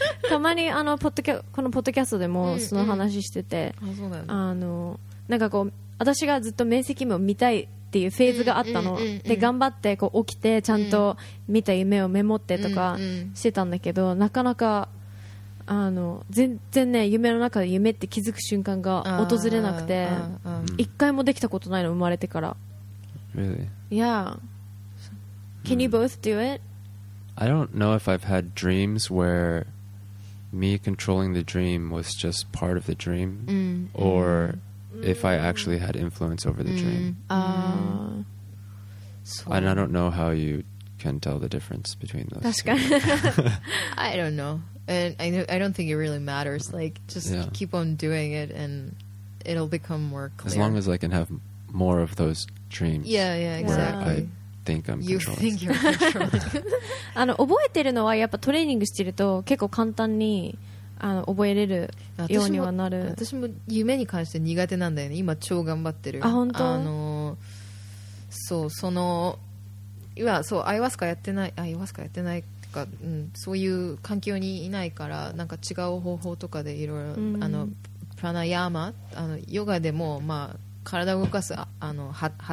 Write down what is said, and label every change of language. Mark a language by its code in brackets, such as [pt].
[ja] たまにあのポッドキャ、このポッドキャストでもその話してて、あのなんかこう私がずっと明晰夢を見たいっていうフェーズがあったの、うんうんうんうん、で頑張ってこう起きてちゃんと見た夢をメモってとかしてたんだけど、うんうん、なかなかあの全然ね夢の中で夢って気づく瞬間が訪れなくて、一回もできたことないの生まれてから。 [en] Really? Yeah. Can you both do it? I don't know if I've had dreams where me controlling the dream was just part of the dream or if I actually had influence over the dream. And I don't know how you can tell the difference between those. [ja] 確かに。 [en] I don't know. And I don't think it really matters. Like, just keep on doing it and it'll become more clear. As long as I can have more of those dreams. Yeah, yeah, exactly. Where I think I'm controlling. You think you're controlling. [ja] あの、覚えてるのはやっぱトレーニングしてると結構簡単にあの覚えれるようにはなる。私も夢に関して苦手なんだよね。今超頑張ってる。あ、本当？あの、そう、その、いや、そう、アイワスカやってない、アイワスカやってないとか、うん、そういう環境にいないから、なんか違う方法とかでいろいろ、あの、プラナヤーマ、あの、ヨガでも、まあ、体を動かすあのハ